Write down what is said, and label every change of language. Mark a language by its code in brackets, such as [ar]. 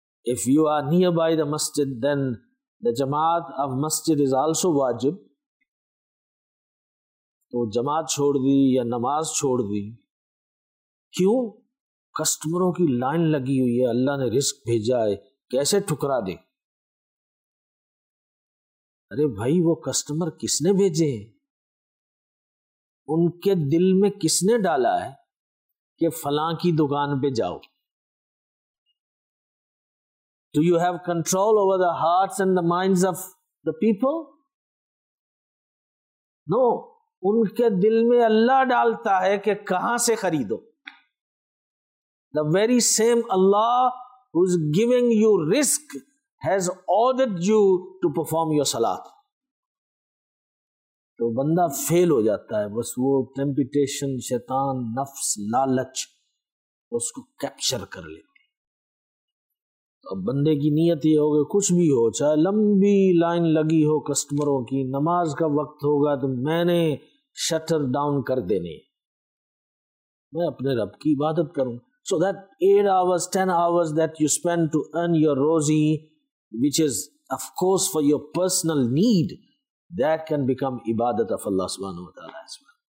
[en] If you are near by the masjid then the jamaat of masjid is also wajib. [ur] تو جماعت چھوڑ دی یا نماز چھوڑ دی, کیوں؟ کسٹمروں کی لائن لگی ہوئی ہے, اللہ نے رزق بھیجا ہے, کیسے ٹھکرا دے. ارے بھائی وہ کسٹمر کس نے بھیجے ہیں, ان کے دل میں کس نے ڈالا ہے کہ فلاں کی دکان پہ جاؤ. [en] Do you have control over the hearts and the minds of the people? No, [ur] ان کے دل میں اللہ ڈالتا ہے کہ کہاں سے خریدو. [en] The very same Allah who's giving you risk has ordered you to perform your salat. [ur] تو بندہ فیل ہو جاتا ہے, بس وہ temptation, شیطان, نفس, لالچ اس کو کیپچر کر لیتے. تو اب بندے کی نیت یہ ہوگی, کچھ بھی ہو, چاہے لمبی لائن لگی ہو کسٹمروں کی, نماز کا وقت ہوگا تو میں نے شٹر ڈاؤن کر دینے, میں اپنے رب کی عبادت کروں. [en] So that 8 hours, 10 hours that you spend to earn your rozi, which is of course for your personal need, that can become ibadat of Allah subhanahu wa ta'ala as well.